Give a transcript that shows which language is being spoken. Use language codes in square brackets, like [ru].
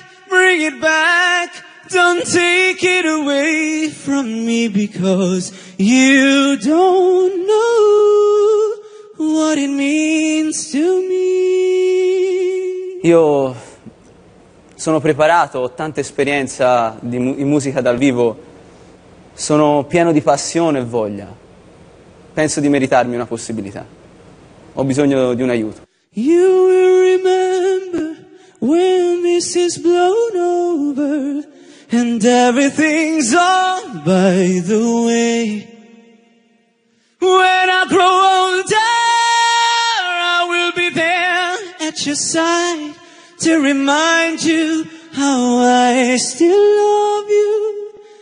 [en] Bring it back, don't take it away from me, because you don't know what it means to me. [it] Io sono preparato, ho tanta esperienza in musica dal vivo, sono pieno di passione e voglia, penso di meritarmi una possibilità, ho bisogno di un aiuto. [en] You will remember when this is blown over and everything's all by the way. When I grow older, I will be there at your side to remind you how I still love you.